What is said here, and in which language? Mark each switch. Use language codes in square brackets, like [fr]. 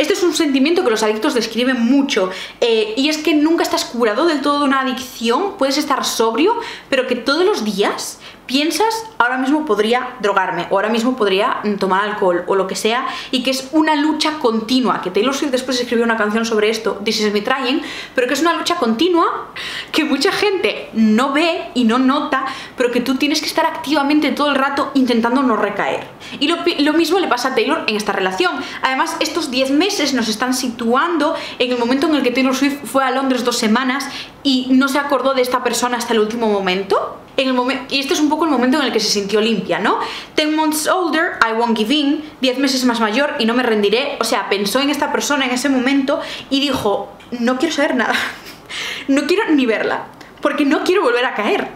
[es] Este es un sentimiento que los adictos describen mucho, y es que nunca estás curado del todo de una adicción, puedes estar sobrio, pero que todos los días piensas, ahora mismo podría drogarme, o ahora mismo podría tomar alcohol, o lo que sea, y que es una lucha continua, que Taylor Swift después escribió una canción sobre esto, This is me trying, pero que es una lucha continua que mucha gente no ve y no nota, pero que tú tienes que estar activamente todo el rato intentando no recaer. Y lo mismo le pasa a Taylor en esta relación. Además, estos 10 meses nos están situando en el momento en el que Taylor Swift fue a Londres 2 semanas y no se acordó de esta persona hasta el último momento. Y este es un poco el momento en el que se sintió limpia, ¿no? [en] 10 months older, I won't give in. [es] 10 meses más mayor y no me rendiré. O sea, pensó en esta persona en ese momento y dijo, no quiero saber nada. No quiero ni verla. Porque no quiero volver a caer.